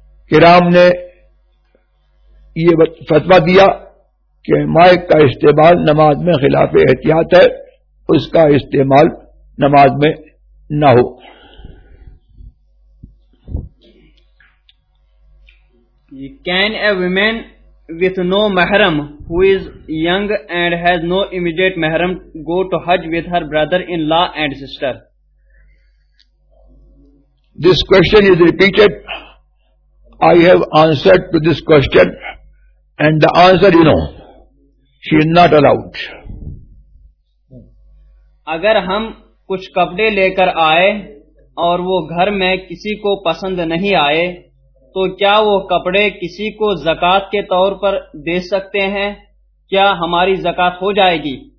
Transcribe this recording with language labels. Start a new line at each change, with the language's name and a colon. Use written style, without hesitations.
Urdu: کرام نے یہ فتویٰ دیا کہ مائک کا استعمال نماز میں خلاف احتیاط ہے، اس کا استعمال نماز میں نہ ہو.
English: Can a woman with no mahram who is young and has no immediate mahram go to Hajj with her brother-in-law and sister? This question is repeated. I have answered to this question and the answer is no. She is not allowed.
Urdu: اگر ہم کچھ کپڑے لے کر آئے اور وہ گھر میں کسی کو پسند نہیں آئے تو کیا وہ کپڑے کسی کو زکات کے طور پر دے سکتے ہیں؟ کیا ہماری زکات ہو جائے گی؟